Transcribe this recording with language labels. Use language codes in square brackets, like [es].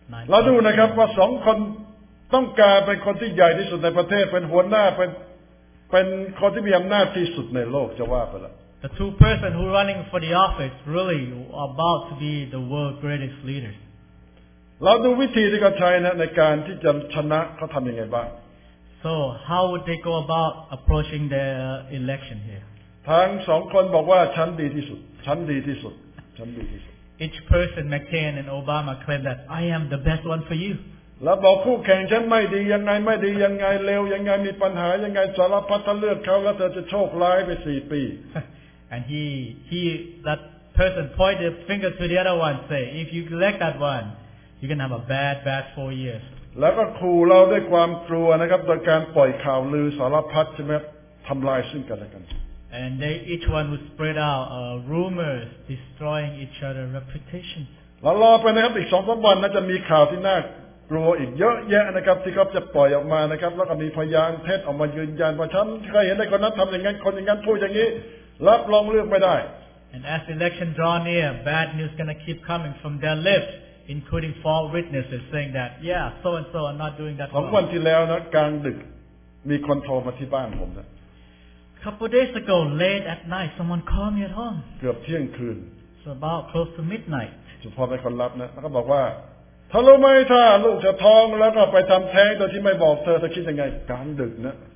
[th] เราดูนะครับว่า2คนต้องการเป็นคนที่ใหญ่ที่สุดในประเทศเป็นหัวหน้าเป็นคนที่มีอำนาจที่สุดในโลกจะว่าไปละ [en] The two person who running for the office really about to be the world greatest leader [th] เราดูวิธีที่เขาใช้นะในการที่จะชนะเขาทำยังไงบ้าง [en] So how would they go about approaching their election here [th] ทั้งสองคนบอกว่าฉันดีที่สุดฉันดีที่สุดฉันดีที่สุด [en] Each person McCain and Obama claim that I am the best one for you [th] แล้วบอกคู่แข่งฉันไม่ดียังไงไม่ดียังไงเลวยังไงมีปัญหายังไงสารพัดถ้าเลือกเขาแล้วเธอจะโชคร้ายไป4ปี [en] And he that person pointed finger to the other one say if you elect that one You can have a bad 4 years. [th] แล้วก็ครูเราด้วยความกลัวนะครับโดยการปล่อยข่าวลือสารพัดใช่ไหมทำลายซึ่งกันและกัน [en] And they each one would spread out rumors destroying each other's reputation. [th] แล้วรอไปนะครับอีก 2-3 วันน่าจะมีข่าวที่น่ากลัวอีกเยอะแยะนะครับที่เขาจะปล่อยออกมานะครับแล้วก็มีพยานเท็จออกมายืนยันว่าฉันเคยเห็นไอ้คนนั้นทำอย่างนั้นคนอย่างนั้นพูดอย่างนี้รับรองเลือกไม่ได้ [en] And as the election draw near, bad news gonna keep coming from their lips. Including false witnesses saying that, yeah, so and so are not doing that. [th] สองวันที่แล้วนะกลางดึกมีคนโทรมาที่บ้านผมนะ [en] Couple days ago, late at night, someone called me at home. [th] เกือบเที่ยงคืน [en] So about close to midnight. [th] สุดพอไปคนรับนะแล้วก็บอกว่าถ้ารู้ไหมถ้าลูกจะท้องแล้วก็ไปทำแท้งโดยที่ไม่บอกเธอจะคิดยังไงกลางดึกนะ